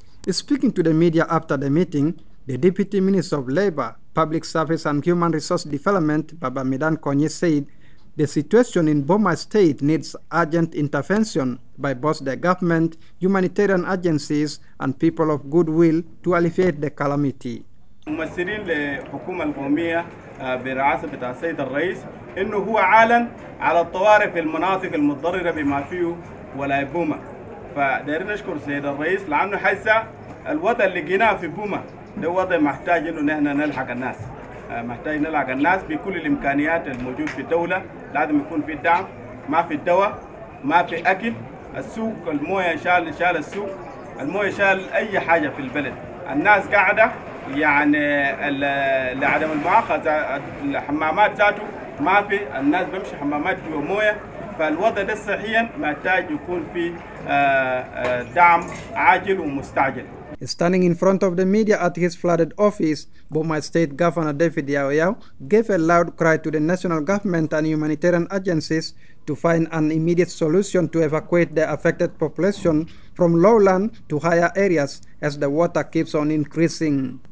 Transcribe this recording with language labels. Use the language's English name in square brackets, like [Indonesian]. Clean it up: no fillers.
[English] Speaking to the media after the meeting, the Deputy Minister of Labour, Public Service and Human Resource Development, Baba Midan Konyi, said the situation in Boma State needs urgent intervention by both the government, humanitarian agencies, and people of goodwill to alleviate the calamity. [Arabic] ممثلين لحكومة القومية برئاسة السيد الرئيس إنه هو أعلن على الطوارئ في المناطق المتضررة بما فيه ولاية بوما فدايرين نشكر السيد الرئيس لأنه حس الوضع اللي جيناه في بوما ده وضع محتاج إنه نحن نلحق الناس محتاج نلحق الناس بكل الإمكانيات الموجودة في الدولة لازم يكون في الدعم ما في الدواء ما في أكل السوق الموية شال السوق الموية شال أي حاجة في البلد الناس قاعدة يعني لعدم المؤاخذة الحمامات ذاته ما في الناس بمشي حمامات جوا موية فالوضع ده صحيا محتاج يكون في دعم عاجل ومستعجل. [English] Standing in front of the media at his flooded office, Boma State Governor David Yau Yau gave a loud cry to the national government and humanitarian agencies to find an immediate solution to evacuate the affected population from lowland to higher areas as the water keeps on increasing.